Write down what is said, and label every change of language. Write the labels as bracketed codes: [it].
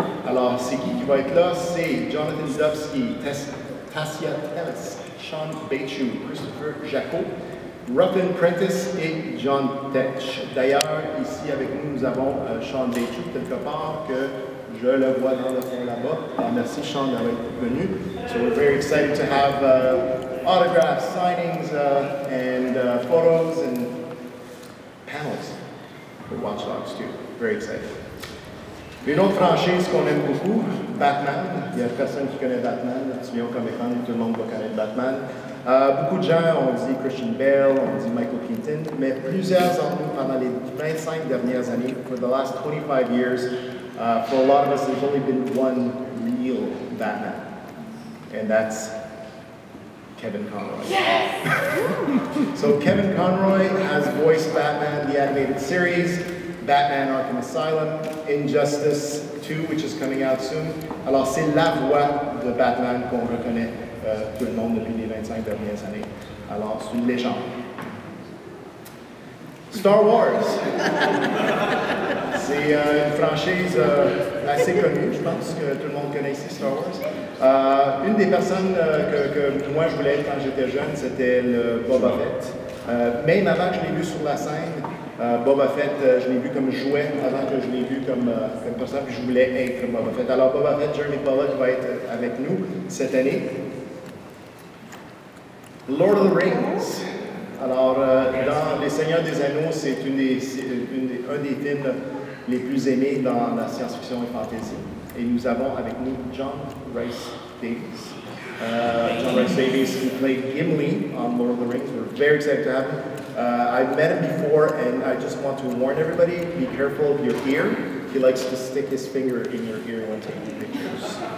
[fr] Alors, c'est qui va être là? C'est Jonathan Zdowski, Tassia Tellis, Sean Bechu, Christopher Jacot, Ruffin Prentice et John Tetch. D'ailleurs, ici avec nous, nous avons Sean Bechu, quelque part que je le vois dans le fond là-bas. Alors, merci Sean d'avoir été venu. [en] So, we're very excited to have autographs, signings, and photos and panels for Watch Dogs 2. Very excited. [fr] Une autre franchise qu'on aime beaucoup, Batman. Il y a personne qui connaît Batman. Tu viens au Comic-Con, tout le monde va connaître Batman. Beaucoup de gens ont dit Christian Bale, ont dit Michael Keaton, mais plusieurs d'entre nous pendant les 25 dernières années, [en] for the last 25 years, for a lot of us, there's only been one real Batman. And that's Kevin Conroy. Yes! So Kevin Conroy has voiced Batman, the animated series. Batman Arkham Asylum, Injustice 2, which is coming out soon. [fr] Alors, c'est la voix de Batman qu'on reconnaît tout le monde depuis les 25 dernières années. Alors, c'est une légende. Star Wars. C'est une franchise assez connue. Je pense que tout le monde connaît ici Star Wars. Une des personnes que moi je voulais être quand j'étais jeune, c'était le Boba Fett. Même avant que je l'ai vu sur la scène, Boba Fett, je l'ai vu comme jouet avant que je l'ai vu comme, comme personne, puis je voulais être Boba Fett. Alors Boba Fett, Jeremy Pollock va être avec nous cette année. Lord of the Rings. Alors, dans Les Seigneurs des Anneaux, c'est, une des, un des films les plus aimés dans la science-fiction et fantasy. Et nous avons avec nous John Rhys Davies. [en] John Rhys Davies, who played Gimli on Lord of the Rings. We're very excited to have him. I've met him before, and I just want to warn everybody, be careful of your ear. He likes to stick his finger in your ear when taking pictures.